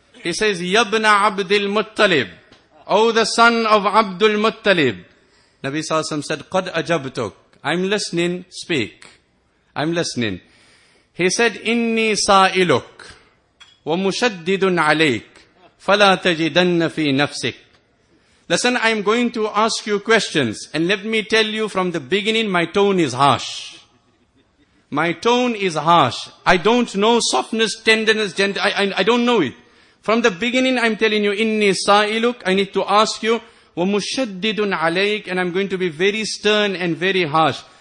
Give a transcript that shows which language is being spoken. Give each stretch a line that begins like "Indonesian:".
English: He says,
Arabic: يَبْنَ عَبْدِ الْمُتَّلِبِ.
English: Oh, the son of Abdul Muttalib. Nabi sallallahu alayhi wa sallam said,
Arabic: قَدْ أَجَبْتُكَ.
English: I'm listening, speak. I'm listening. He said,
Arabic: إِنِّي سَائِلُكْ وَمُشَدِّدٌ عَلَيْكْ فَلَا تَجِدَنَّ فِي نَفْسِكْ.
English: Listen, I am going to ask you questions. And let me tell you from the beginning, my tone is harsh. My tone is harsh. I don't know softness, tenderness, gentle. I don't know it. From the beginning, I'm telling you,
Arabic: inni sa'iluk,
English: I need to ask you,
Arabic: wa mushaddidun alayk,
English: and I'm going to be very stern and very harsh.